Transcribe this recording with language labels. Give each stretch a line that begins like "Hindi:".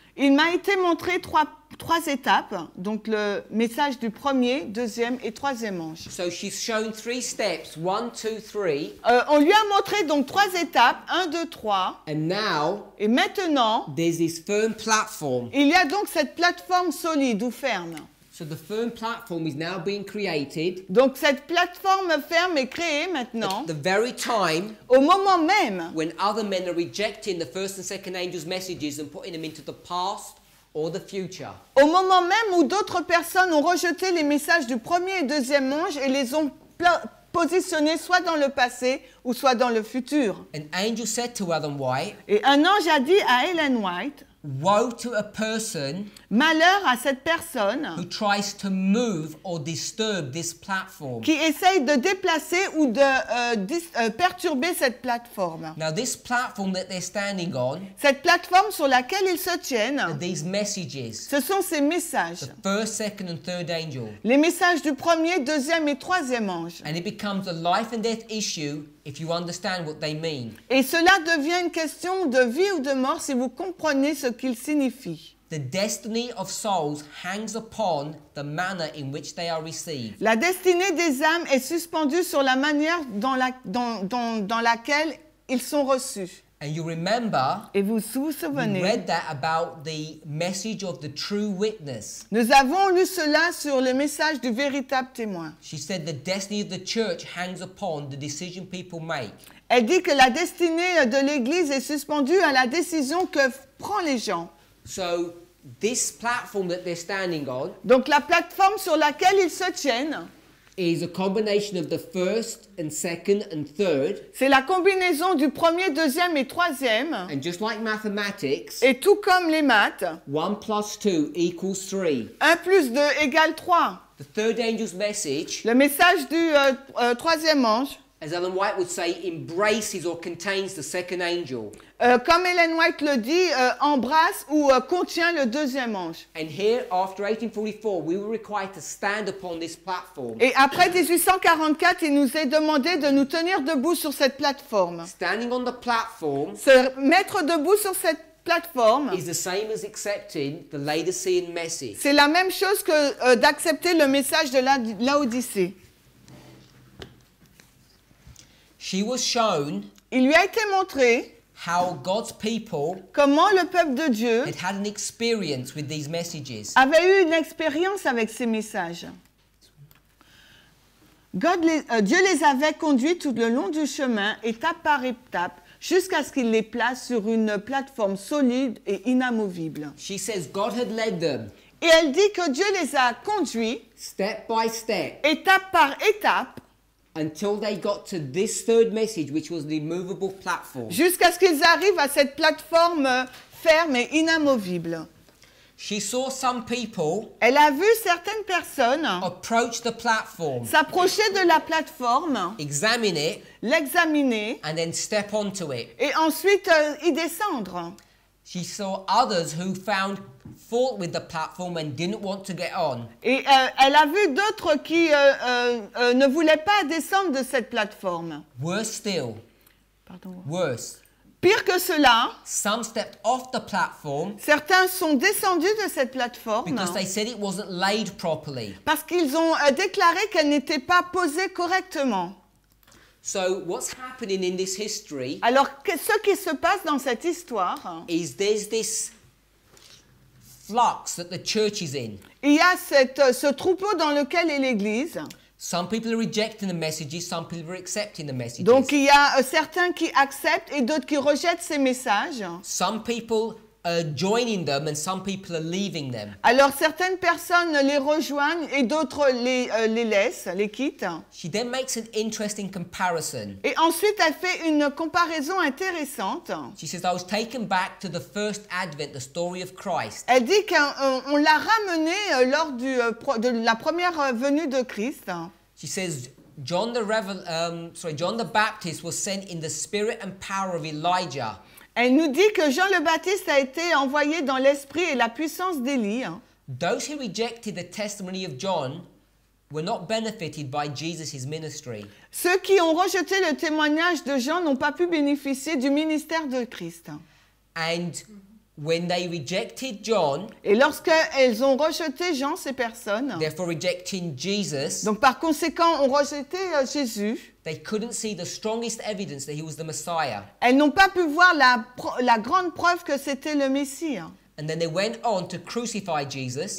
French: Il m'a été montré trois étapes, donc le message du premier, deuxième et troisième ange.
English: So she's shown three steps, one, two, three.
French: On lui a montré donc trois étapes, un, deux, trois.
English: And now,
French: et maintenant,
English: there's this firm platform.
French: Il y a donc cette plateforme solide ou ferme.
English: So the firm platform is now being created.
French: Donc cette plateforme ferme est créée maintenant.
English: At the very time.
French: Au moment même.
English: When other men are rejecting the first and second angels' messages and putting them into the past or the future.
French: Au moment même où d'autres personnes ont rejeté les messages du premier et deuxième ange et les ont positionnés soit dans le passé ou soit dans le futur.
English: An angel said to Ellen White.
French: Et un ange a dit à Ellen White.
English: Woe to a person.
French: Malheur à cette personne.
English: Who tries to move or disturb this platform.
French: Qui essaye de déplacer ou de perturber cette plateforme.
English: Now this platform that they're standing on.
French: Cette plateforme sur laquelle ils se tiennent.
English: These messages.
French: Ce sont ces messages.
English: The first, second and third angel.
French: Les messages du premier, deuxième et troisième ange.
English: And it becomes a life and death issue. If you understand what they mean.
French: Et cela devient une question de vie ou de mort si vous comprenez ce qu'il signifie.
English: The destiny of souls hangs upon the manner in which they are received.
French: La destinée des âmes est suspendue sur la manière dans laquelle ils sont reçus.
English: And you remember,
French: et vous souvenez,
English: we read that about the message of the true witness.
French: Nous avons lu cela sur le message du véritable témoin.
English: She said the destiny of the church hangs upon the decision people make.
French: Elle dit que la destinée de l'Église est suspendue à la décision que prennent les gens.
English: So, this platform that they're standing on.
French: Donc la plateforme sur laquelle ils se tiennent.
English: Is a combination of the first and second and third.
French: C'est la combinaison du premier, deuxième et troisième.
English: And just like mathematics.
French: Et tout comme les maths.
English: 1 plus 2 equals 3.
French: 1 plus 2 égale 3.
English: The third angel's message.
French: Le message du troisième ange.
English: As Ellen White would say, embraces or contains the second angel.
French: Comme Ellen White le dit, embrasse ou contient le deuxième ange.
English: And here, after 1844, we were required to stand upon this platform.
French: Et après 1844, il nous est demandé de nous tenir debout sur cette plateforme.
English: Standing on the platform.
French: Se mettre debout sur cette plateforme.
English: Is the same as accepting the Laodicean message.
French: C'est la même chose que d'accepter le message de la Laodicée.
English: She was shown.
French: Il lui a été montré.
English: How God's people.
French: Comment le peuple de Dieu.
English: Had had an experience with these messages.
French: Avait eu une expérience avec ces messages. Dieu les avait conduits tout le long du chemin, étape par étape, jusqu'à ce qu'il les place sur une plateforme solide et inamovible.
English: She says God had led them.
French: Et elle dit que Dieu les a conduits.
English: Step by step.
French: Étape par étape.
English: Until they got to this third message, which was the immovable platform.
French: Jusqu'à ce qu'ils arrivent à cette plateforme ferme et inamovible.
English: She saw some people.
French: Elle a vu certaines personnes.
English: Approach the platform.
French: S'approcher de la plateforme.
English: Examine it.
French: L'examiner.
English: And then step onto it.
French: Et ensuite y descendre.
English: She saw others who found fault with the platform and didn't want to get on.
French: Et elle a vu d'autres qui ne voulaient pas descendre de cette plateforme.
English: Worse still.
French: Pardon.
English: Worse.
French: Pire que cela.
English: Some stepped off the platform.
French: Certains sont descendus de cette plateforme.
English: Because they said it wasn't laid properly.
French: Parce qu'ils ont déclaré qu'elle n'était pas posée correctement.
English: So what's happening in this history?
French: Alors ce qui se passe dans cette histoire.
English: Is there's this flux that the church is in.
French: Il y a ce troupeau dans lequel est l'église.
English: Some people are rejecting the messages, some people are accepting the messages.
French: Donc il y a certains qui acceptent et d'autres qui rejettent ces messages.
English: Some people joining them and some people are leaving them.
French: Alors certaines personnes les rejoignent et d'autres les laissent, les quittent.
English: She then makes an interesting comparison.
French: Et ensuite elle fait une comparaison intéressante.
English: She says, I was taken back to the first advent, the story of Christ.
French: Elle dit qu'on l'a ramené lors de la première venue de Christ.
English: She says, John the Baptist was sent in the spirit and power of Elijah.
French: Elle nous dit que Jean le Baptiste a été envoyé dans l'esprit et la puissance d'Élie.
English: Those who rejected the testimony of John were not benefited by Jesus' ministry.
French: Ceux qui ont rejeté le témoignage de Jean n'ont pas pu bénéficier du ministère de Christ.
English: And when they rejected John,
French: et lorsque elles ont rejeté Jean, ces personnes,
English: therefore rejecting Jesus,
French: donc par conséquent ont rejeté Jésus,
English: they couldn't see the strongest evidence that he was the Messiah.
French: Elles n'ont pas pu voir la grande preuve que c'était le Messie.
English: And then they went on to crucify Jesus.